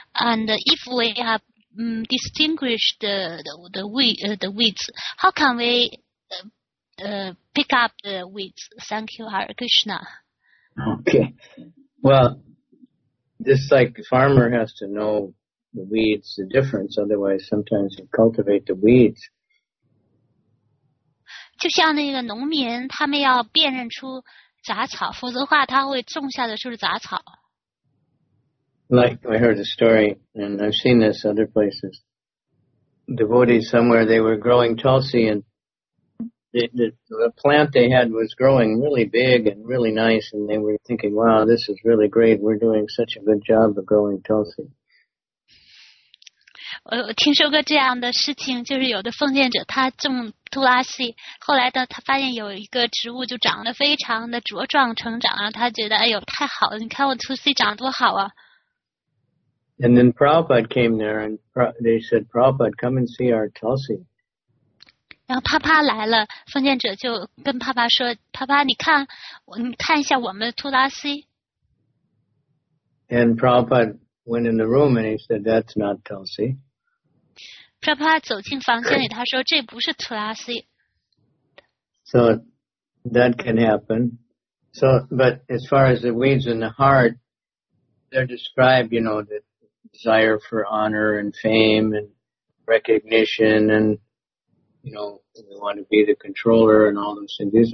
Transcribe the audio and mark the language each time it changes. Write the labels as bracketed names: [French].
[English] And if we have distinguished the weeds, how can we pick up the weeds? Thank you, Hare Krishna. Okay, well, just like the farmer has to know the weeds, the difference. Otherwise, sometimes you cultivate the weeds. [Chinese] 就像那个农民，他们要辨认出杂草，否则话他会种下的就是杂草。 [English] Like I heard a story, and I've seen this other places. Devotees somewhere they were growing tulsi, and the plant they had was growing really big and really nice, and they were thinking, "Wow, this is really great. We're doing such a good job of growing tulsi." [Chinese] 我听说过这样的事情，就是有的奉献者他种杜拉西，后来呢他发现有一个植物就长得非常的茁壮成长，他觉得哎呦太好了，你看我杜拉西长得多好啊。 [English] And then Prabhupada came there, and they said, Prabhupada, come and see our Tulsi. [Chinese] 然后帕帕来了，奉献者就跟帕帕说，帕帕，你看一下我们的图拉西。 [English] And Prabhupada went in the room and he said, that's not Tulsi. [Chinese] Prabhupada 走进房间里，他说，这不是图拉西。 [English] So that can happen. So, but as far as the weeds in the heart, they're described, you know, the desire for honor and fame and recognition and, you know, we want to be the controller and all those things.